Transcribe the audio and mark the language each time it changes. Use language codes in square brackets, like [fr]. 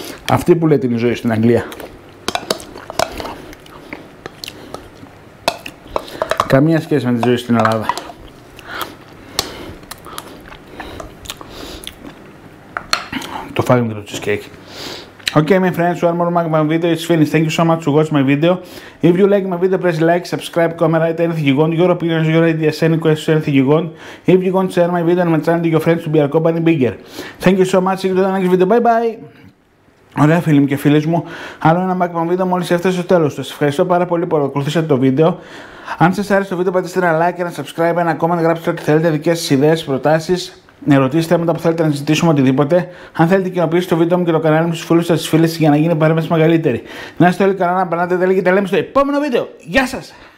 [el] Αυτή που λέει την ζωή στην Αγγλία. Καμία σχέση με τη ζωή στην Ελλάδα. Το φάγαμε το cheesecake. [en] Okay, my friends, one more magma video is finished. Thank you so much to watch my video. If you like my video, press like, subscribe, comment, write anything you want. Your opinions, your ideas, any questions, anything you want. If you want to share my video and my channel to your friends to be our company bigger. Thank you so much. See you in the next video. Bye bye. [el] Ωραία φίλοι μου και φίλες μου, άλλο ένα magma video μόλις έφτασε στο τέλος. Σας ευχαριστώ πάρα πολύ που ακολουθήσατε το βίντεο. Αν σας άρεσε το βίντεο, πατήστε ένα like, ένα subscribe, ένα comment, γράψτε ό,τι θέλετε, δικές σας ιδέες, προτάσεις. Ερωτήστε θέματα που θέλετε να συζητήσουμε οτιδήποτε. Αν θέλετε, κοινοποιήστε το βίντεο μου και το κανάλι μου στους φίλους σας, στις φίλες για να γίνει παρέμβαση μεγαλύτερη. Να είστε όλοι καλά, να περνάτε, τα λέμε στο επόμενο βίντεο. Γεια σας!